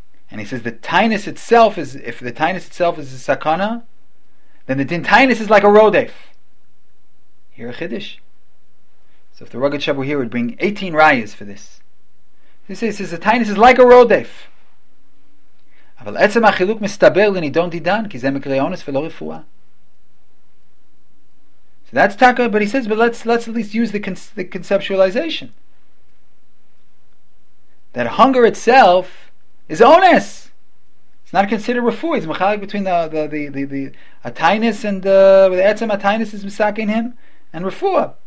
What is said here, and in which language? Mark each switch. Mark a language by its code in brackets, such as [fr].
[en] And he says the tainus itself is, if the tainus itself is a sakana, then the din tainus is like a rodef. Here a chiddush. So if the rugged shepherd were here, would bring 18 rayas for this. He says the tainus is like a rodef. [he] אבל עצם החילוק מסתבר לנידון דידן, כי זה מקרה אונס ולא רפואה. [en] So that's Taka, but he says, but let's at least use the conceptualization. That hunger itself is onus. It's not considered refuah. It's mechalik between the atainis and the etzem atainis is misakin him and refuah.